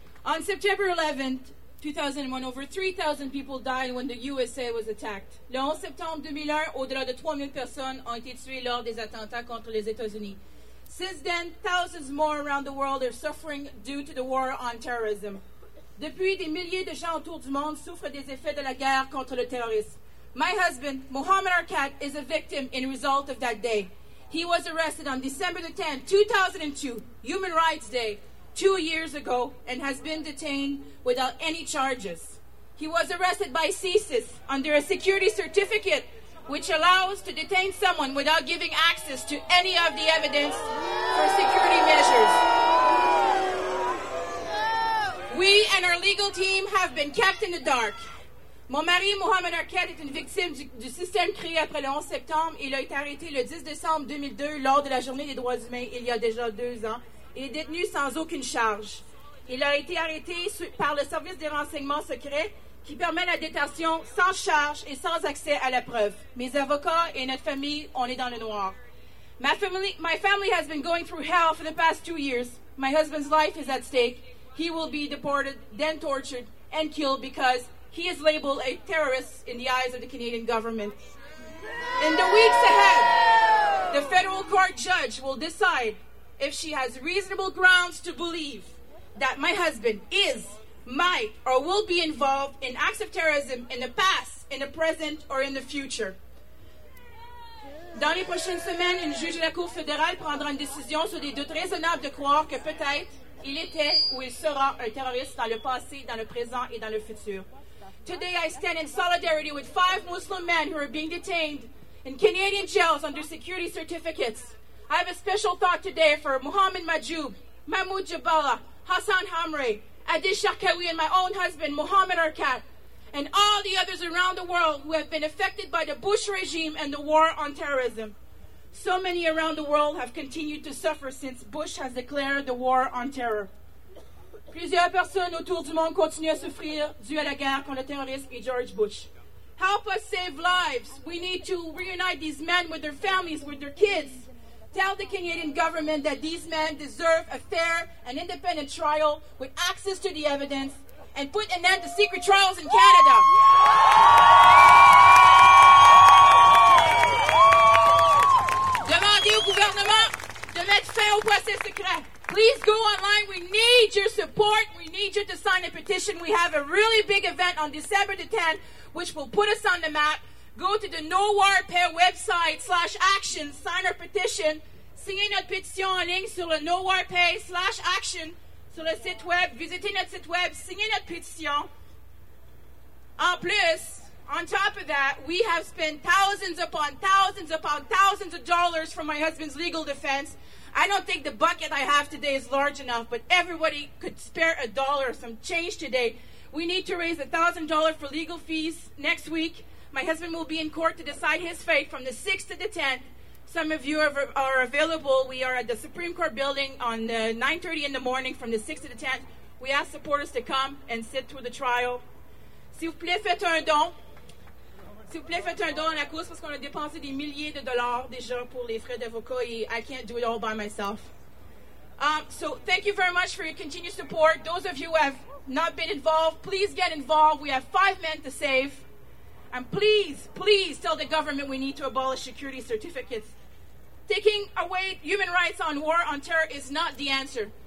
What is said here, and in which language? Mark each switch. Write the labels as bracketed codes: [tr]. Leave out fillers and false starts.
[en] On September 11th, 2001, over 3,000 people died when the USA was attacked. [fr] Le 11 septembre 2001, au-delà de 3,000 personnes ont été tuées lors des attentats contre les États-Unis. [en] Since then, thousands more around the world are suffering due to the war on terrorism. [fr] Depuis, des milliers de gens autour du monde souffrent des effets de la guerre contre le terrorisme. [en] My husband, Mohamed Arkat, is a victim in result of that day. He was arrested on December the 10th, 2002, Human Rights Day, 2 years ago, and has been detained without any charges. He was arrested by CSIS under a security certificate which allows to detain someone without giving access to any of the evidence for security measures. We and our legal team have been kept in the dark. [fr] Mon mari, Mohamed Arkat, est une victime du système créé après le 11 septembre. Il a été arrêté le 10 décembre 2002 lors de la Journée des droits humains, il y a déjà 2 ans. Il est détenu sans aucune charge. Il a été arrêté par le service des renseignements secrets qui permet la détention sans charge et sans accès à la preuve. Mes avocats et notre famille, on est dans le noir. [en] My family has been going through hell for the past 2 years. My husband's life is at stake. He will be deported, then tortured, and killed because he is labeled a terrorist in the eyes of the Canadian government. In the weeks ahead, the federal court judge will decide if she has reasonable grounds to believe that my husband is, might, or will be involved in acts of terrorism in the past, in the present, or in the future. [fr] Dans les prochaines semaines, une juge de la Cour fédérale prendra une décision sur des doutes raisonnables de croire que peut-être il était ou il sera un terroriste dans le passé, dans le présent et dans le futur. [en] Today, I stand in solidarity with 5 Muslim men who are being detained in Canadian jails under security certificates. I have a special thought today for Mohamed Majoub, Mahmoud Jabala, Hassan Hamre, Adil Sharkawi, and my own husband, Mohamed Arkat, and all the others around the world who have been affected by the Bush regime and the war on terrorism. So many around the world have continued to suffer since Bush has declared the war on terror. [fr] Plusieurs personnes autour du monde continuent à souffrir dû à la guerre contre le terrorisme et George Bush. [en] Help us save lives. We need to reunite these men with their families, with their kids. Tell the Canadian government that these men deserve a fair and independent trial with access to the evidence and put an end to secret trials in Canada. [fr] Demandez au gouvernement de mettre fin au procès secret. [en] Please go online. We need your support. We need you to sign a petition. We have a really big event on December the 10th, which will put us on the map. Go to the No War Pair website /action, sign our petition. [fr] Signez notre pétition en ligne sur le No War Pair /action sur le site web. Visitez notre site web. Signez notre pétition. En plus, [en] on top of that, we have spent thousands upon thousands upon thousands of dollars for my husband's legal defense. I don't think the bucket I have today is large enough, but everybody could spare a dollar or some change today. We need to raise $1,000 for legal fees next week. My husband will be in court to decide his fate from the 6th to the 10th. Some of you are available. We are at the Supreme Court building on 9:30 in the morning from the 6th to the 10th. We ask supporters to come and sit through the trial. [fr] S'il vous plaît, faites un don. S'il vous plaît, faites un don à la cause parce qu'on a dépensé des milliers de dollars déjà pour les frais d'avocat et [en] I can't do it all by myself. So thank you very much for your continued support. Those of you who have not been involved, please get involved. We have 5 men to save. And please, please tell the government we need to abolish security certificates. Taking away human rights on war on terror is not the answer.